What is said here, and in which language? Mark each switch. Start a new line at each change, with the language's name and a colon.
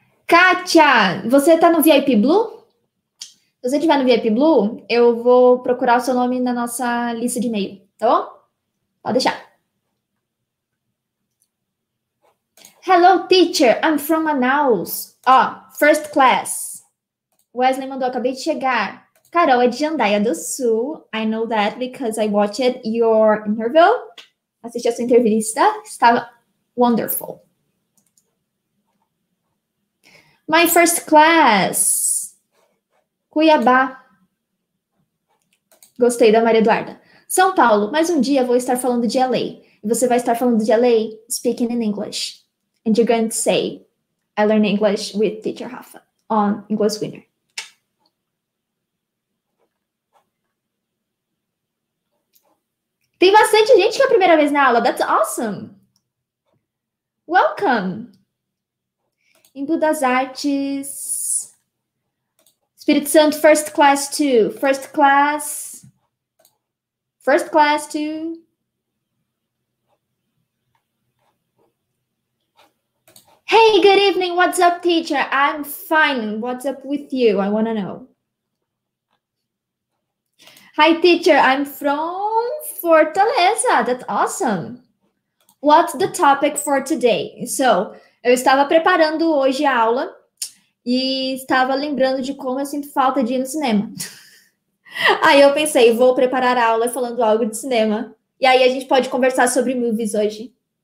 Portuguese: Kátia, você tá no VIP Blue? Se você estiver no VIP Blue, eu vou procurar o seu nome na nossa lista de e-mail, tá bom? Pode deixar.
English: Hello, teacher. I'm from Manaus. Oh, first class.
Portuguese: Wesley mandou, acabei de chegar. Carol é de Jandaia do Sul.
English: I know that because I watched your interview.
Portuguese: Assisti a sua entrevista. Estava
English: wonderful. My first class. Cuiabá.
Portuguese: Gostei da Maria Eduarda. São Paulo. Mais um dia vou estar falando de LA. E você vai estar falando de LA
English: speaking in English. And you're going to say, I learned English with teacher Rafa on English Winner.
Portuguese: Tem bastante gente que é a primeira vez na aula.
English: That's awesome. Welcome.
Portuguese: Embu das Artes. Espírito Santo,
English: first class too. First class. First class too. Hey, good evening. What's up, teacher? I'm fine. What's up with you? I want to know. Hi, teacher. I'm from Fortaleza. That's awesome. What's the topic for today?
Portuguese: So, eu estava preparando hoje a aula e estava lembrando de como eu sinto falta de ir no cinema. Aí eu pensei, vou preparar a aula falando algo de cinema. E aí a gente pode conversar sobre movies hoje.